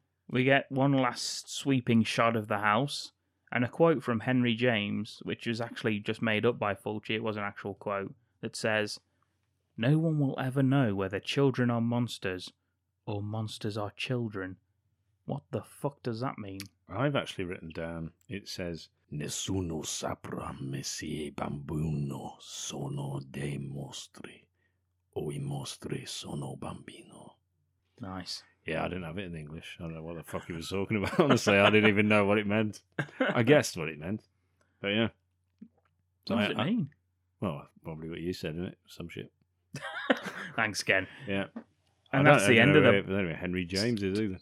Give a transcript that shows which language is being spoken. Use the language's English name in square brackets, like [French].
[English] We get one last sweeping shot of the house. And a quote from Henry James, which was actually just made up by Fulci, it was an actual quote, that says, "No one will ever know whether children are monsters or monsters are children." What the fuck does that mean? I've actually written down, it says, [Italian] "Nessuno saprà se I bambino sono dei mostri o I mostri sono bambino." [English] Nice. Yeah, I didn't have it in English. I don't know what the fuck he was talking about. Honestly, I didn't even know what it meant. I guessed what it meant. But yeah. What does it mean? Well, probably what you said, isn't it? Some shit. Thanks, Ken. Yeah. And that's the end of them. Anyway, Henry James is either.